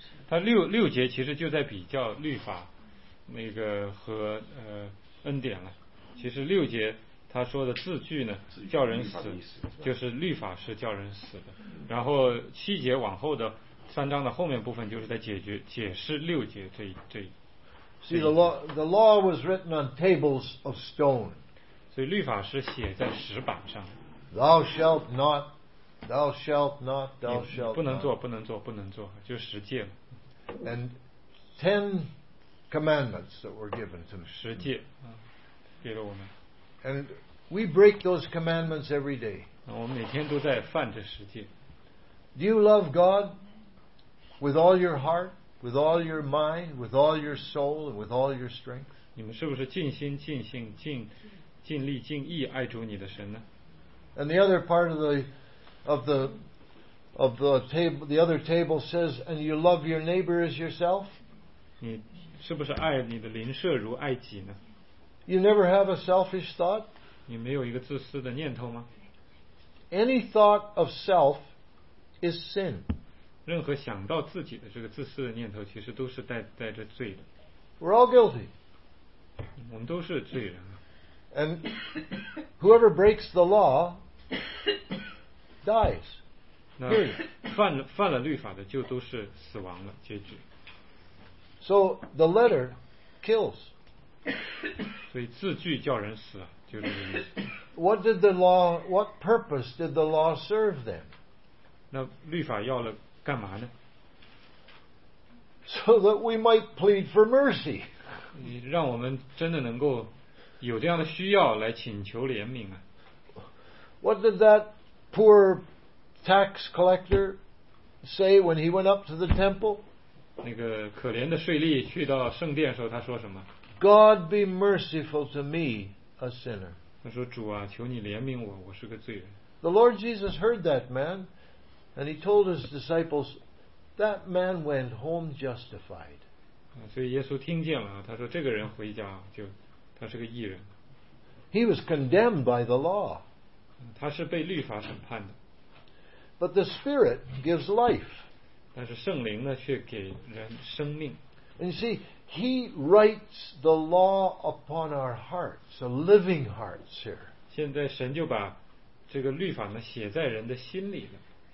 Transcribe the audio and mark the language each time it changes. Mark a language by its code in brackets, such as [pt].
[zh] 他六节其实就在比较律法那个和恩典了。其实六节他说的字句呢叫人死，就是律法是叫人死的。然后七节往后的三章的后面部分就是在解释六节这一。 [en] See, the law was written on tables of stone. [zh] 所以律法是写在石板上。 [en] Thou shalt not. [zh] 不能做，就十诫。 [en] And 10 commandments that were given to us. [zh] 十诫给了我们。 [en] And we break those commandments every day. [zh] 我们每天都在犯这十诫。 [en] Do you love God with all your heart, with all your mind, with all your soul, and with all your strength? [zh] 你们是不是尽心、尽性、尽力、尽意爱主你的神呢？ [en] And the other part of the other table says, and you love your neighbor as yourself? [zh] 你是不是爱你的邻舍如爱己呢？ [en] You never have a selfish thought? [zh] 你没有一个自私的念头吗？ [en] Any thought of self is sin. [zh] 任何想到自己的这个自私的念头其实都是带着罪的。 [en] We're all guilty. [zh] 我们都是罪人。 [en] And whoever breaks the law dies. [zh] 那犯了律法的就都是死亡了结局。 [en] So the letter kills. [zh] 所以字句叫人死啊，就这个意思。 [en] What did the law? What purpose did the law serve them? [zh] 那律法要了干嘛呢？ [en] So that we might plead for mercy. [zh] 让我们真的能够有这样的需要来请求怜悯啊。 [en] What did that poor tax collector say when he went up to the temple? [zh] 那个可怜的税吏去到圣殿的时候，他说什么？ [en] God be merciful to me, a sinner. [zh] 他说主啊，求你怜悯我，我是个罪人。 [en] The Lord Jesus heard that man, and he told his disciples, that man went home justified. [zh] 所以耶稣听见了，他说这个人回家就，他是个义人。 [en] He was condemned by the law. [zh] 他是被律法审判的。 [en] But the Spirit gives life. [zh] 但是圣灵呢，却给人生命。 [en] And you see, He writes the law upon our hearts, a living hearts here. [zh] 现在神就把这个律法呢写在人的心里了。